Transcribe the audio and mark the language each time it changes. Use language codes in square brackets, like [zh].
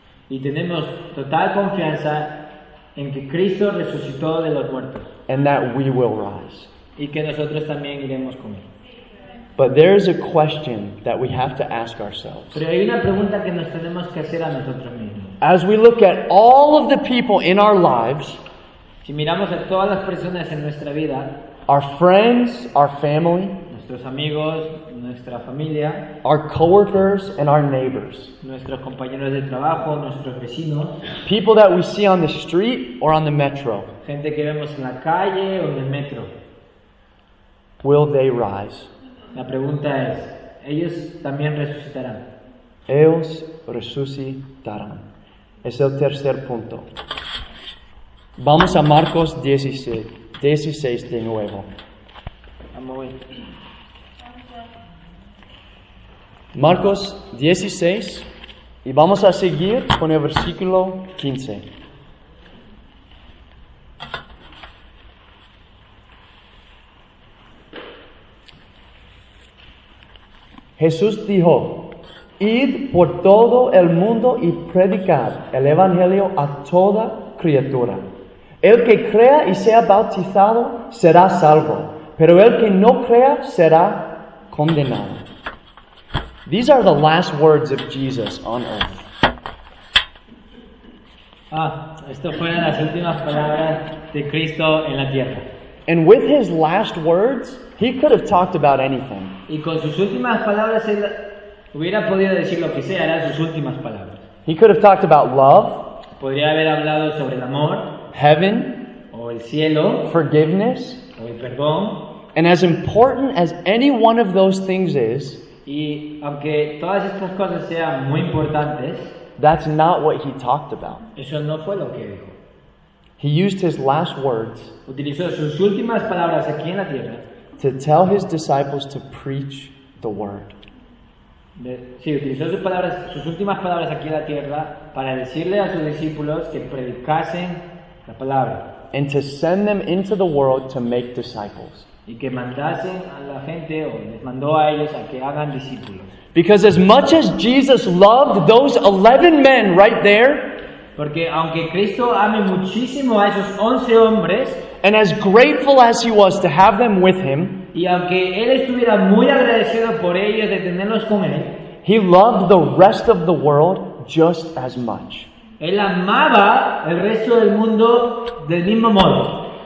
[es] Y tenemos total confianza en que Cristo resucitó de los muertos. [en] And that we will rise. [es] Y que nosotros también iremos con él. [en] But there is a question that we have to ask ourselves. [es] Pero hay una pregunta que nos tenemos que hacer a nosotros mismos. [en] As we look at all of the people in our lives, [es] si miramos a todas las personas en nuestra vida, [en] our friends, our family, [es] nuestros amigos, nuestra familia, [en] our coworkers and our neighbors, [es] nuestros compañeros de trabajo, nuestros vecinos, [en] people that we see on the street or on the metro, [es] gente que vemos en la calle o en el metro, [en] will they rise? [es] La pregunta es, ¿ellos también resucitarán? Ellos resucitarán. Es el tercer punto. Vamos a Marcos 16 de nuevo. Vamos a ver. Marcos 16, y vamos a seguir con el versículo 15. Jesús dijo: Id por todo el mundo y predicad el evangelio a toda criatura. El que crea y sea bautizado será salvo, pero el que no crea será condenado. [en] These are the last words of Jesus on earth. [es] Ah, esto fueron las últimas palabras de Cristo en la tierra. [en] And with his last words, he could have talked about anything. [es] Y con sus últimas palabras él hubiera podido decir lo que sea, eran sus últimas palabras. [en] He could have talked about love. [es] Podría haber hablado sobre el amor. [en] Heaven. [es] O el cielo. [en] Forgiveness. [es] O el perdón. [en] And as important as any one of those things is, [es] y aunque todas estas cosas sean muy importantes, [en] that's not what he talked about. [es] Eso no fue lo que dijo. [en] He used his last words. [es] Utilizó sus últimas palabras aquí en la tierra. [en] To tell his disciples to preach the word. [es] Sí, utilizó sus últimas palabras aquí en la tierra para decirle a sus discípulos que predicasen la palabra. [en] And to send them into the world to make disciples. [es] Y que mandasen a la gente, o les mandó a ellos a que hagan discípulos. [en] Because as much as Jesus loved those 11 men right there, [es] porque aunque Cristo ame muchísimo a esos 11 hombres, [en] and as grateful as he was to have them with him, [es] y aunque él estuviera muy agradecido por ellos de tenerlos con él, [en] he loved the rest of the world just as much. [es] Él amaba el resto del mundo del mismo modo.